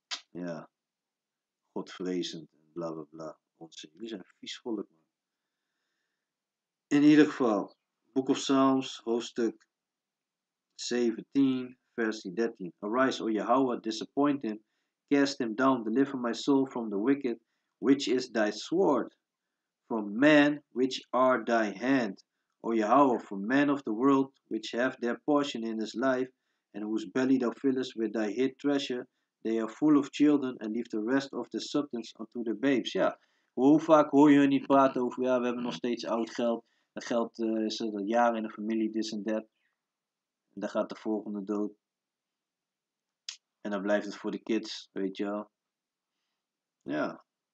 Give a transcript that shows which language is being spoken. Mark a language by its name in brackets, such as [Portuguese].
[Dutch] Ja, godvrezend, bla bla bla. Onzin, jullie zijn vies volk, man. In ieder geval, Book of Psalms, hoofdstuk 17, versie 13. [English] Arise, O Yahweh, disappoint him. Cast him down, deliver my soul from the wicked, which is thy sword. From men, which are thy hand. O Yahweh, from men of the world, which have their portion in this life, and whose belly thou fillest with thy hid treasure. They are full of children and leave the rest of the substance unto the babes. [Dutch] Ja, hoe vaak hoor je hun niet praten over, ja, we hebben nog steeds oud geld. Het geld is er al jaren in de familie, dit en dat. En dan gaat de volgende dood. En dan blijft het voor de kids, weet je wel. Ja.